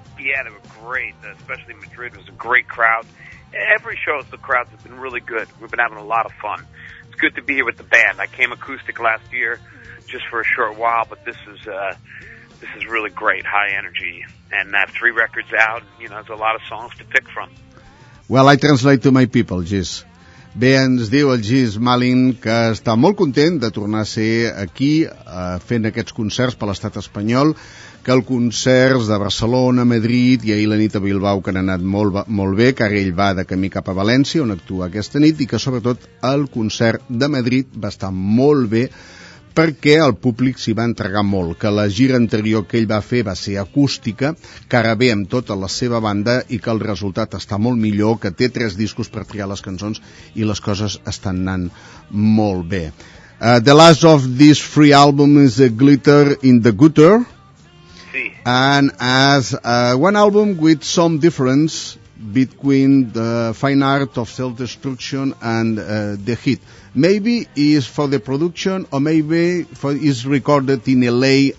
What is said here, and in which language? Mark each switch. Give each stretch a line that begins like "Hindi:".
English: Yeah, they were great, especially Madrid. It was a great crowd. Every show, the crowds have been really good. We've been having a lot of fun. It's good to be here with the band. I came acoustic last year just for a short while, but this is really great, high energy. And that 3 records out, you know, there's a lot of songs to pick from. Well, I translate to my people, Gis.
Catalan: Bé, ens diu el Gis Malin que està molt content de tornar a ser aquí fent aquests concerts per l'estat espanyol, que els concerts de Barcelona, Madrid i ahir la nit a Bilbao que han anat molt, molt bé, que ara ell va de camí cap a València on actua aquesta nit i que sobretot el concert de Madrid va estar molt bé perquè el públic s'hi va entregar molt, que la gira anterior que ell va fer va ser acústica, que ara ve amb tota la seva banda i que el resultat està molt millor, que té 3 discos per triar les cançons i les coses estan anant molt bé.
English: The last of this free album is a Glitter in the Gutter.
Catalan: Sí.
English: And as one album with some difference between the fine art of self-destruction and the hit. Maybe is for the production, or maybe is recorded in L.A.